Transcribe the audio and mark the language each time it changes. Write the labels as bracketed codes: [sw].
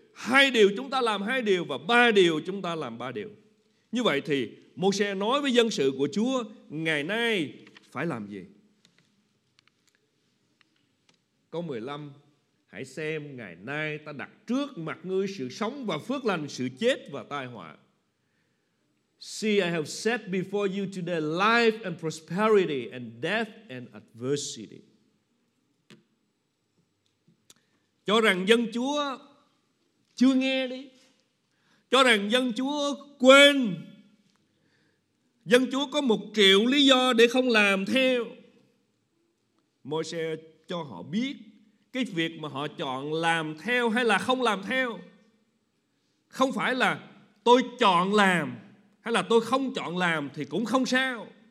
[vi] hai điều chúng ta làm hai điều và ba điều chúng ta làm ba điều. Như vậy thì Môi-se nói với dân sự của Chúa ngày nay phải làm gì? Câu 15, hãy xem ngày nay ta đặt trước mặt ngươi sự sống và phước lành, sự chết và tai họa. [en] See, I have set before you today life and prosperity and death and adversity. [vi] Cho rằng dân Chúa chưa nghe đi. Cho rằng dân Chúa quên. Dân Chúa có 1 triệu lý do để không làm theo. Môi-se cho họ biết cái việc mà họ chọn làm theo hay là không làm theo không phải là tôi chọn làm hay là tôi không chọn làm thì cũng không sao.